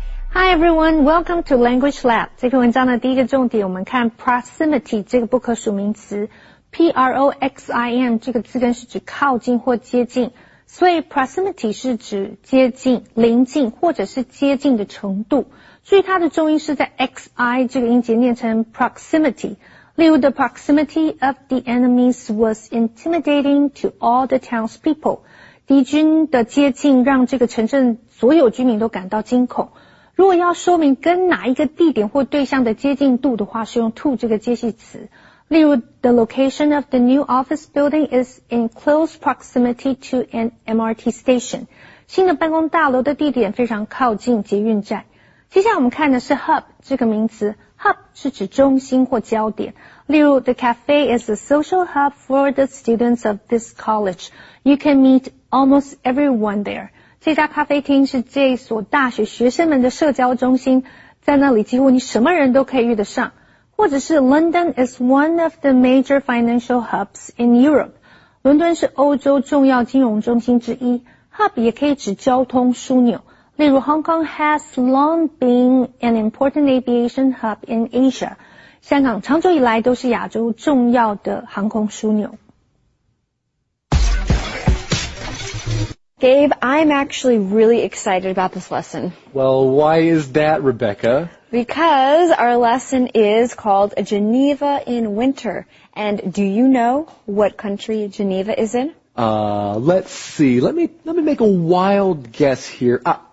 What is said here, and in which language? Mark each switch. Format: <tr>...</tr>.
<en>Hi everyone, welcome to Language Lab.</en> <zh>这篇文章的第一个重点，我们看 proximity 这个不可数名词 ，proxim 这个字根是指靠近或接近。所以 proximity 是指接近、临近或者是接近的程度。注意它的重音是在 xi 这个音节念成 proximity。例如</zh> <en>,the proximity of the enemies was intimidating to all the townspeople.</en> <zh>敌军的接近让这个城镇所有居民都感到惊恐。如果要说明跟哪一个地点或对象的接近度的话是用 to 这个介系词。例如</zh> <en>,the location of the new office building is in close proximity to an MRT station.</en> <zh>新的办公大楼的地点非常靠近捷运站。接下来我们看的是 hub 这个名词。 hub 是指中心或焦点。例如</zh> <en>,the cafe is a social hub for the students of this college. You can meet almost everyone there.</en> <zh>这家咖啡厅是这所大学学生们的社交中心。在那里几乎你什么人都可以遇得上。或者是</zh> <en>London is one of the major financial hubs in Europe.</en> <zh>伦敦是欧洲重要金融中心之一。</zh> <en>Hub</en> <zh>也可以指交通枢纽。例如</zh> <en>Hong Kong has long been an important aviation hub in Asia.</en> <zh>香港长久以来都是亚洲重要的航空枢纽。</zh> <en>Gabe, I'm actually really excited about this lesson. Well, why is that, Rebecca? Because our lesson is called Geneva in Winter. And do you know what country Geneva is in? Let's see. Let me make a wild guess here.</en>